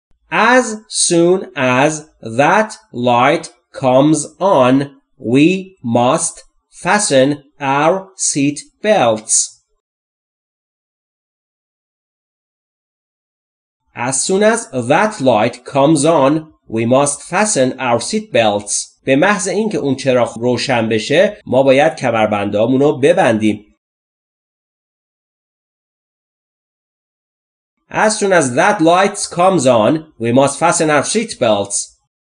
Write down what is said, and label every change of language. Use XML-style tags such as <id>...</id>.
<en>As soon as that light comes on, we must fasten our seat belts. As soon as that light comes on, we must fasten our seat belts.</en> <fa>به محض اینکه اون چراغ روشن بشه، ما باید کمربندامون رو ببندیم.</fa> <en>As soon as that light comes on, we must fasten our seat belts.</en>